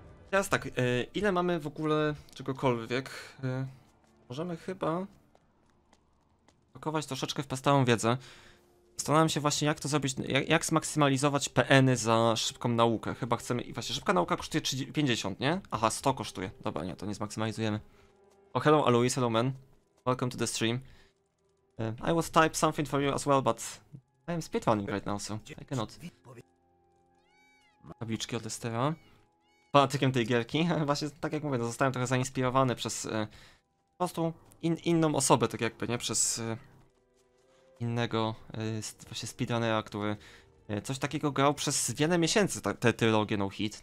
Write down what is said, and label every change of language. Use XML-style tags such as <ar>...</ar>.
<pl>Teraz tak, ile mamy w ogóle czegokolwiek? Możemy chyba pakować troszeczkę w podstawową wiedzę. Zastanawiam się właśnie, jak to zrobić, jak zmaksymalizować PN-y za szybką naukę. Chyba chcemy, i właśnie szybka nauka kosztuje 30, 50, nie? Aha, 100 kosztuje. Dobra, nie, to nie zmaksymalizujemy.</pl> <en>Oh, hello Alois, hello man. Welcome to the stream. I would type something for you as well, but I am speedrunning right now, so I cannot.</en> <pl>Tabliczki od Estera. Fanatykiem tej gierki. Właśnie tak jak mówię, no, zostałem trochę zainspirowany przez po prostu inną osobę, tak jakby, nie? Przez innego właśnie speedrunnera, który coś takiego grał przez wiele miesięcy, tę trylogię No Hit.</pl>